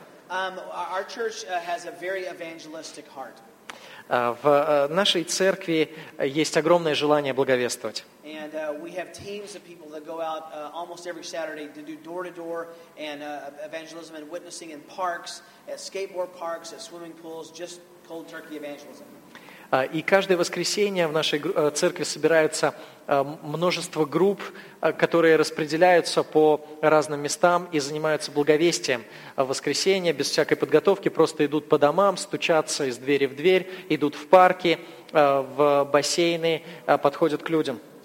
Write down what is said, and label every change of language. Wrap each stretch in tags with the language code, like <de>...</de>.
<en>Our church has a very evangelistic heart.</en> <ru>В нашей церкви есть огромное желание благовествовать.</ru> <en>And we have teams of people that go out almost every Saturday to do door-to-door and evangelism and witnessing in parks, at skateboard parks, at swimming pools, just cold turkey evangelism.</en> <ru>И каждое воскресенье в нашей церкви собираются множество групп, которые распределяются по разным местам и занимаются благовестием. В воскресенье без всякой подготовки просто идут по домам, стучатся из двери в дверь, идут в парки, в бассейны, подходят к людям.</ru>